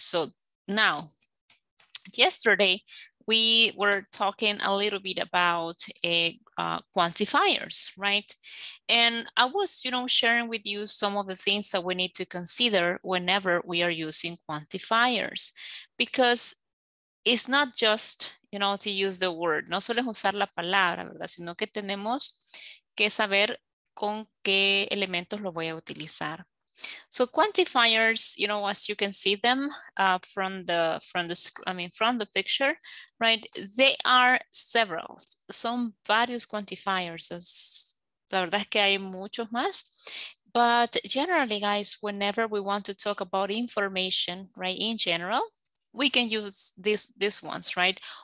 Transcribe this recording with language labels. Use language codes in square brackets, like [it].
[en] So now, yesterday, we were talking a little bit about quantifiers, right? And I was, you know, sharing with you some of the things that we need to consider whenever we are using quantifiers, because it's not just, you know, to use the word, [es] no solo es usar la palabra, ¿verdad? Sino que tenemos que saber con qué elementos lo voy a utilizar. [en] So quantifiers, you know, as you can see them from the picture, right? They are several. [es] Son varios [en] quantifiers. [es] La verdad es que hay muchos más. [en] But generally, guys, whenever we want to talk about information, right, in general, we can use these ones, right?